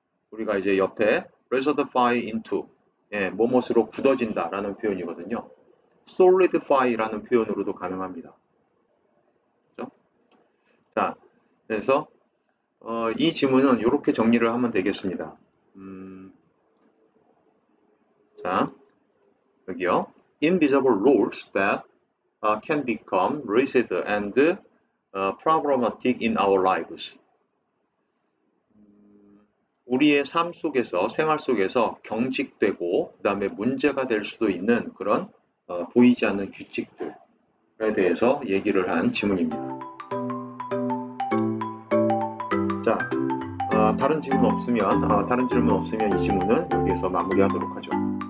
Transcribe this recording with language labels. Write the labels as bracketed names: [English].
[Korean] 우리가 이제 옆에 resify into, 예, 뭐뭇으로 굳어진다라는 표현이거든요. solidify라는 표현으로도 가능합니다. 자, 그래서 이 지문은 이렇게 정리를 하면 되겠습니다. 자, 여기요. [English] Invisible rules that can become rigid and problematic in our lives. [Korean] 우리의 삶 속에서, 생활 속에서 경직되고 그다음에 문제가 될 수도 있는 그런 보이지 않는 규칙들에 대해서 얘기를 한 지문입니다. 자, 다른 질문 없으면 이 지문은 여기에서 마무리하도록 하죠.